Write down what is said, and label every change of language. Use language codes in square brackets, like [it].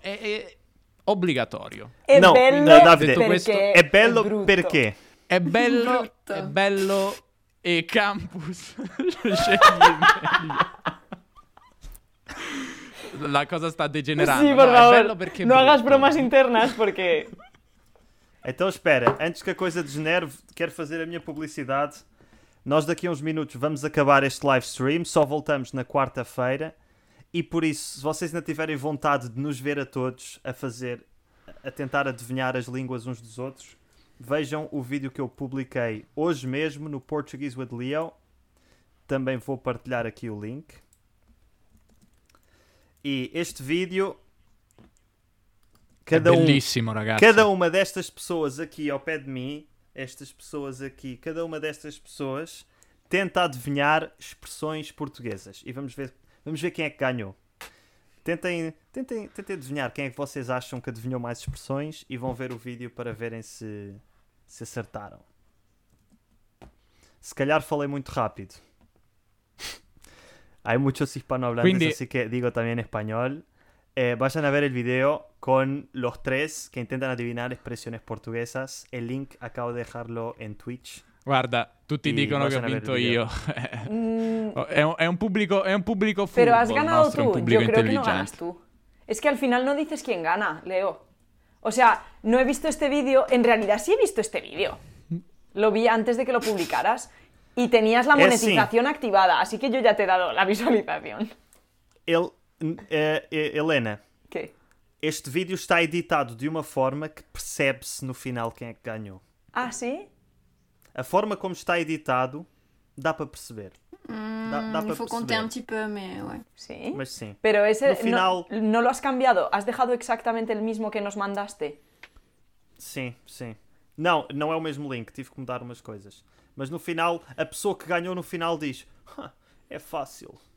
[it] È obbligatorio. È no, bello, Davide, detto questo, è bello perché? È bello, brutto. È bello e campus. Scegli meglio. La cosa sta degenerando. Sì, no, è bello perché non [es] hagas bromas internas [it] perché. [pt] Então espera, antes que a coisa degenere, quero fazer a minha publicidade. Nós daqui a uns minutos vamos acabar este live stream, só voltamos na quarta-feira. E por isso, se vocês ainda tiverem vontade de nos ver a todos a tentar adivinhar as línguas uns dos outros, vejam o vídeo que eu publiquei hoje mesmo no Portuguese with Leo. Também vou partilhar aqui o link. E este vídeo... Cada [it] é belíssimo, ragazzi. [pt] Cada uma destas pessoas aqui ao pé de mim, estas pessoas aqui, cada uma destas pessoas tenta adivinhar expressões portuguesas. E vamos ver quem é que ganhou. Tentem adivinhar quem é que vocês acham que adivinhou mais expressões e vão ver o vídeo para verem se acertaram. Se calhar falei muito rápido. Há muitos hispanohablantes, assim que digo também em espanhol. [es] Vayan a ver el video con los tres que intentan adivinar expresiones portuguesas. El link acabo de dejarlo en Twitch. [it] Guarda, tutti dicono che ho vinto io. È un pubblico furbo. [es] Pero has ganado tú. Yo creo que no ganas tú. Es que al final no dices quién gana, Leo. O sea, no he visto este vídeo. En realidad sí he visto este vídeo. Lo vi antes de que lo publicaras. Y tenías la monetización activada. Así que yo ya te he dado la visualización. Helena, ¿qué? Este vídeo está editado de una forma que [pt] percebe-se no final quem é que ganhou. [es] Ah, sí? [pt] A forma como está editado dá para perceber. [fr] Faut compter un petit peu, mais ouais. [es] Sí. [pt] Mas sim. [es] Pero ese, [pt] no final... [es] no lo has cambiado. Has dejado exactamente el mismo que nos mandaste. [pt] Sim, sim. Não, não é o mesmo link. Tive que mudar umas coisas. Mas no final, a pessoa que ganhou no final diz: é fácil.